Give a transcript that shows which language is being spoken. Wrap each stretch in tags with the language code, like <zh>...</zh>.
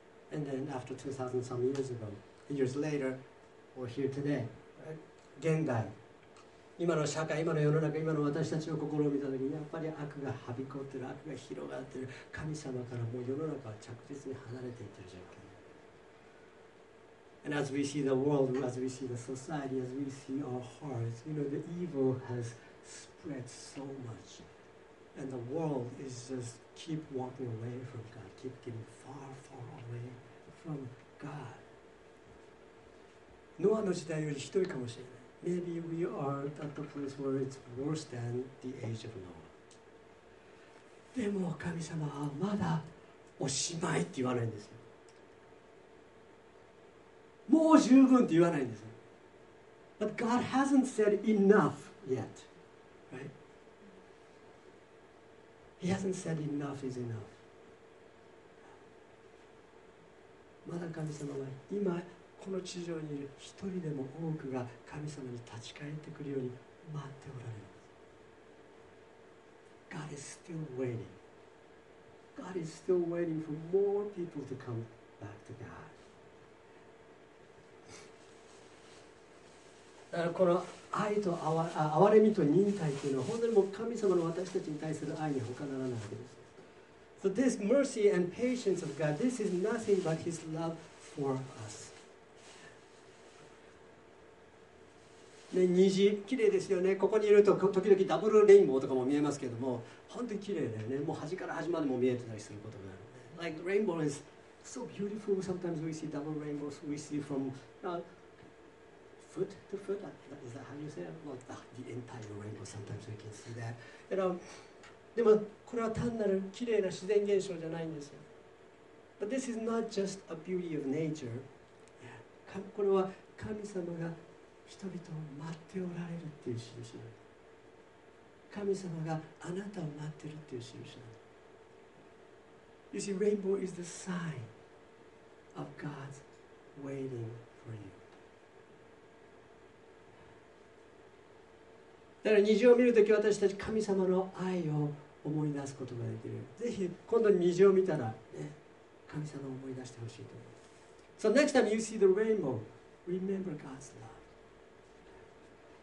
<en>And then after 2,000 some years ago, years later, we're here today.</en> <ja>現代、今の社会、今の世の中、今の私たちの心を見たときに、やっぱり悪がはびこってる、悪が広がってる、神様からもう世の中は着実に離れていってる状況。</ja> <en>And as we see the world, as we see the society, as we see our hearts, you know, the evil has spread so much. And the world is just keep walking away from God, keep getting far, far away from God.</en> <ja>Noah の時代よりひどいかもしれない。</ja> <en>Maybe we are at the place where it's worse than the age of Noah.</en> <ja>でも神様はまだおしまいって言わないんですよ。もう十分って言わないんですよ。</ja> <en>But God hasn't said enough yet, right? He hasn't said enough is enough.</en> <ja>まだ神様は今この地上にいる一人でも多くが神様に立ち返ってくるように待っておられます。</ja> <en>God is still waiting. God is still waiting for more people to come back to God.</en> <ja>だからこの愛と憐れみと忍耐というのは本当にもう神様の私たちに対する愛に他ならないわけです。</ja> <en>So this mercy and patience of God, this is nothing but His love for us.</en> <ja>ね、虹きれいですよね。ここにいると時々ダブルレインボーとかも見えますけれども、本当にきれいだよね。もう端から端までも見えてたりすることがある。</ja> <en>Like rainbow is so beautiful. Sometimes we see double rainbows. We see from foot to foot. Is that how you say it? Well, the entire rainbow. Sometimes we can see that. You know.</en> <ja>でもこれは単なる綺麗な自然現象じゃないんですよ。</ja> <en>But this is not just a beauty of nature.</en> <ja>これは神様が人々を待っておられるっていう印象。神様があなたを待ってるっていう印象。</ja> <en>You see, rainbow is the sign of God's waiting for you.</en> <ja>だから虹を見るとき私たち神様の愛を思い出すことができる。ぜひ今度虹を見たら、ね、神様を思い出してほしいと思います。</ja> <en>So next time you see the rainbow, remember God's love.</en>